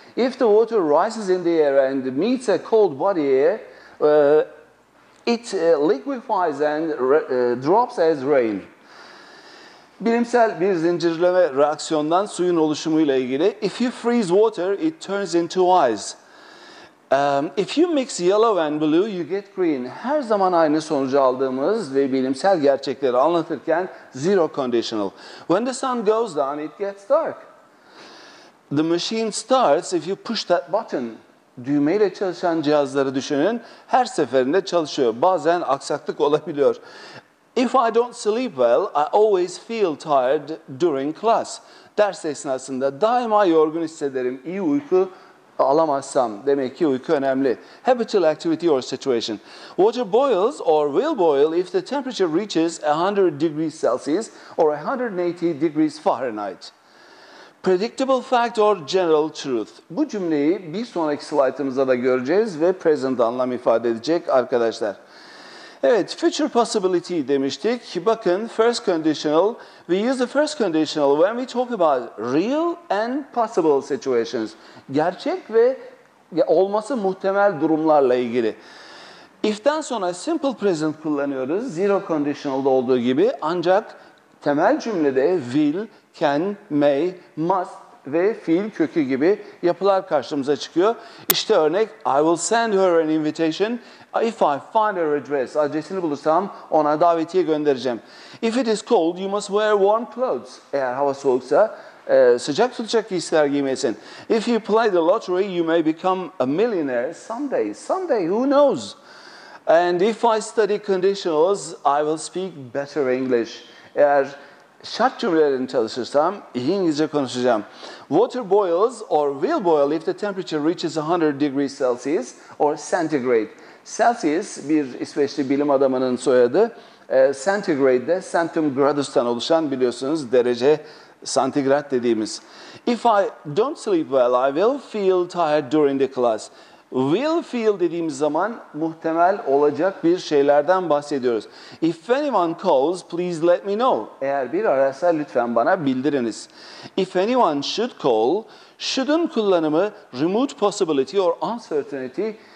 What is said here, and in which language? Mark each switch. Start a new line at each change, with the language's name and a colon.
English: If the water rises in the air and meets a cold body air, it liquefies and drops as rain.
Turkish: Bilimsel bir zincirleme reaksiyondan suyun oluşumuyla ilgili.
English: If you freeze water, it turns into ice. If you mix yellow and blue, you get green.
Turkish: Her zaman aynı sonucu aldığımız ve bilimsel gerçekleri anlatırken zero conditional.
English: When the sun goes down, it gets dark. The machine starts if you push that button.
Turkish: Düğmeyle çalışan cihazları düşünün. Her seferinde çalışıyor. Bazen aksaklık olabiliyor.
English: If I don't sleep well, I always feel tired during class.
Turkish: Ders esnasında daima yorgun hissederim. İyi uyku alamazsam. Demek ki uyku önemli.
English: Habitual activity or situation. Water boils or will boil if the temperature reaches 100 degrees Celsius or 180 degrees Fahrenheit. Predictable fact or general truth.
Turkish: Bu cümleyi bir sonraki slaytımızda da göreceğiz ve present anlam ifade edecek arkadaşlar. Evet, future possibility demiştik. Bakın, first conditional.
English: We use the first conditional when we talk about real and possible situations.
Turkish: Gerçek ve olması muhtemel durumlarla ilgili. If'ten sonra simple present kullanıyoruz, zero conditional'da olduğu gibi. Ancak temel cümlede will, can, may, must ve fiil kökü gibi yapılar karşımıza çıkıyor. İşte örnek,
English: I will send her an invitation. If I find her address,
Turkish: adresini bulursam ona davetiye göndereceğim.
English: If it is cold, you must wear warm clothes.
Turkish: Eğer hava soğuksa sıcak tutacak giysiler giymesin.
English: If you play the lottery, you may become a millionaire someday. Someday, who knows? And if I study conditionals, I will speak better English.
Turkish: Eğer şart cümlelerini çalışırsam iyi İngilizce konuşacağım.
English: Water boils or will boil if the temperature reaches 100 degrees Celsius or centigrade.
Turkish: Celsius bir İsveçli bilim adamının soyadı. Centigrade de centum gradus'tan oluşan biliyorsunuz derece santigrat dediğimiz.
English: If I don't sleep well, I will feel tired during the class.
Turkish: Will feel dediğimiz zaman muhtemel olacak bir şeylerden bahsediyoruz.
English: If anyone calls, please let me know.
Turkish: Eğer bir ararsa lütfen bana bildiriniz.
English: If anyone should call,
Turkish: should'un kullanımı
English: remote possibility or uncertainty.